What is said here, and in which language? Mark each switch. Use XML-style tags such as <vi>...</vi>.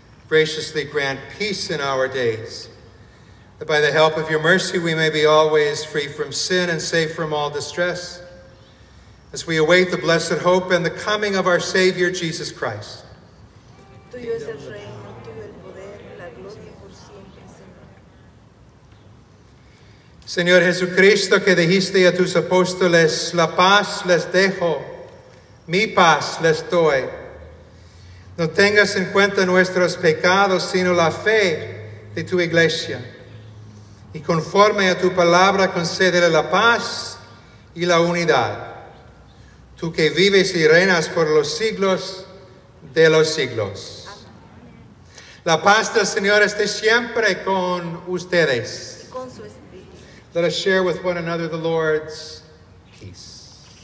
<en>Graciously grant peace in our days, that by the help of your mercy we may be always free from sin and safe from all distress, as we await the blessed hope and the coming of our Savior, Jesus Christ.</en> <es>Tuyo es el reino, tuyo el poder, la gloria por siempre, Señor. Señor Jesucristo, que dijiste a tus apóstoles, la paz les dejo, mi paz les doy. No tengas en cuenta nuestros pecados, sino la fe de tu iglesia. Y conforme a tu palabra, concédele la paz y la unidad. Tú que vives y reinas por los siglos de los siglos. La paz del Señor esté siempre con ustedes. Y con su espíritu.</es> <en>Let us share with one another the Lord's peace.</en>